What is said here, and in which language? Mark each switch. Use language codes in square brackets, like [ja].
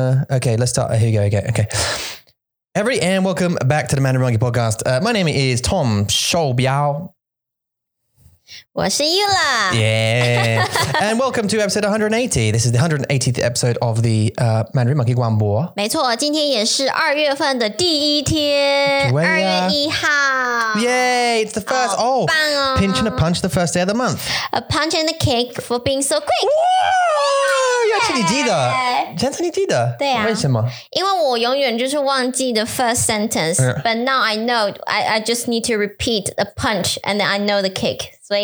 [en] Okay, let's start. Here you go again. Okay. Everybody and welcome back to the Mandarin Monkey Podcast. My name is Tom Shou Biao. [zh] 我是 Yula. [en] Yeah. And welcome to episode 180. This is the 180th episode of the Mandarin Monkey 广播。 [zh] 没错，今天也是二月份的第一天。 2 月1号。 [en] Yay, it's the first. Oh, oh, oh, pinch and a punch, the first day of the month. A punch and a cake for being so quick. [zh] Wow, 要是你记得。真的你记得。对啊。为什么？因为我永远就是忘记 [en] the first sentence. But now I know, I just need to repeat a punch and then I know the cake.